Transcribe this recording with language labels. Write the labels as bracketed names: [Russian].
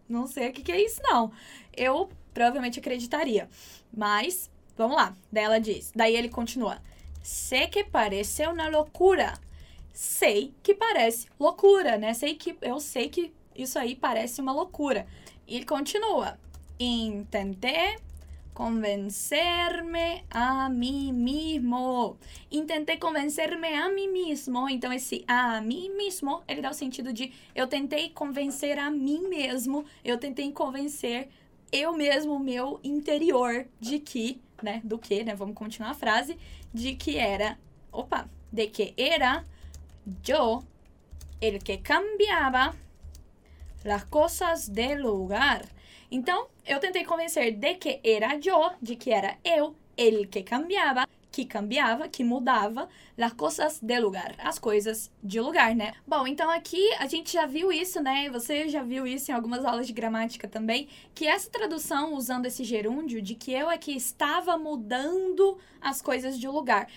[Portuguese] Não sei o que que é isso, não. Eu provavelmente acreditaria. Mas, vamos lá. Daí ela diz, daí ele continua. Sei que parece uma loucura. Sei que parece loucura, né? Eu sei que isso aí parece uma loucura. E ele continua. [Spanish] Intenté convencerme a mí mismo. Intentei convencerme a mí mismo. [Portuguese] Então, esse [Spanish] a mí mismo, [Portuguese] ele dá o sentido de eu tentei convencer a mim mesmo. Eu tentei convencer eu mesmo, meu interior, de que, né? Do que, né? Vamos continuar a frase. [Spanish] De que era, opa, de que era yo el que cambiaba las cosas de lugar. [Portuguese] Então, eu tentei convencer de que era [Spanish] yo, [Portuguese] de que era eu, ele que cambiava, que mudava, [Spanish] las cosas de lugar, [Portuguese] as coisas de lugar, né? Bom, então aqui a gente já viu isso, né? Você já viu isso em algumas aulas de gramática também, que essa tradução usando esse gerúndio de que eu é que estava mudando as coisas de lugar.